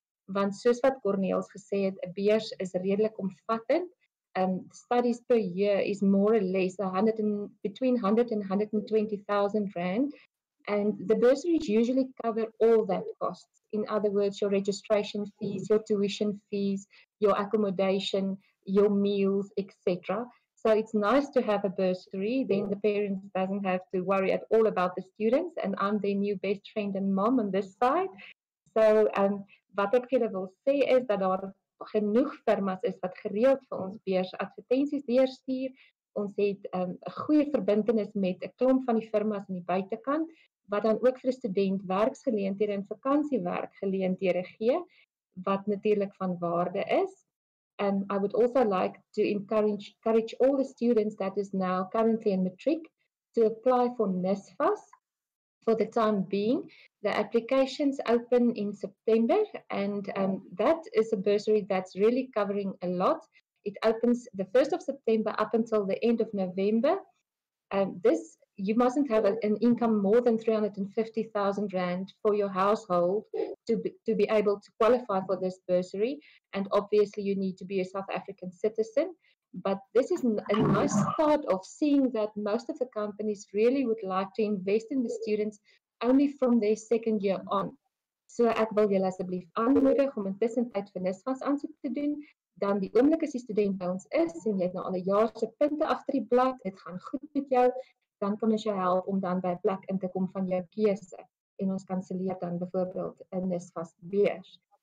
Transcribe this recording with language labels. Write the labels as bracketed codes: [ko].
[af] Want soos wat Corneels gesê het, 'n beurs is redelik omvattend. [en] Studies per year is more or less between 100 and 120,000 rand, and the bursaries usually cover all that costs. In other words, your registration fees, your tuition fees, your accommodation, your meals, etc. So it's nice to have a bursary, then the parents doesn't have to worry at all about the students, and I'm their new best friend and mom on this side. [af] So wat ek vir julle wil sê is dat daar genoeg firmas is wat gereeld vir ons beurs advertensies deurstuur. Ons het 'n goeie verbintenis met 'n klomp van die firmas aan die buitekant wat dan ook vir student werksgeleenthede en vakansiewerk geleenthede gee, wat natuurlik van waarde is. [en] And I would also like to encourage all the students that is now currently in matric to apply for NSFAS for the time being. The applications open in September, and that is a bursary that's really covering a lot. It opens the 1st of September up until the end of November. This, you mustn't have an income more than 350,000 rand for your household to be able to qualify for this bursary. And obviously you need to be a South African citizen. But this is a nice start of seeing that most of the companies really would like to invest in the students only from their second year on. [af] So ek wil julle asseblief aanmoedig om intussen tyd vir NSFAS aansoek te doen. Dan die oomblik as jy student by ons is en jy het nou al 'n jaar se punte agter die blad, dit gaan goed met jou, dan kan ons jou help om dan by plek in te kom van jou keuse. En ons kanselleer dan byvoorbeeld 'n NSFAS beurs.